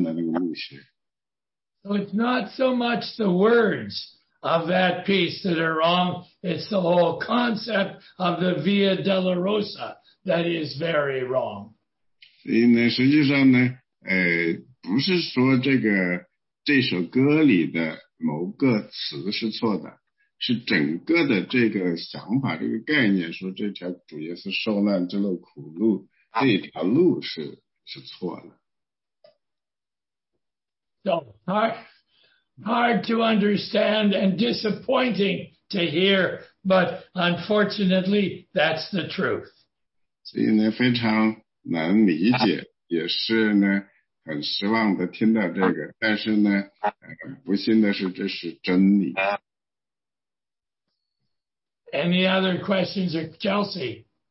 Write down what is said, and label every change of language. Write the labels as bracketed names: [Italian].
[English] So it's not so much the words of that piece that are wrong, it's the whole concept of the Via Dolorosa that is very wrong. [Chinese] 所以呢，实际上呢，不是说这个这首歌里的某个词是错的，是整个的这个想法，这个概念，说这条主耶稣受难之路苦路。这条路是错了。 [English] So, hard to understand and disappointing to hear, but unfortunately, that's the truth. [Chinese] 所以呢，非常难理解，也是呢，很失望的听到这个，但是呢，不幸的是，这是真理。 [English] Any other questions, Chelsea?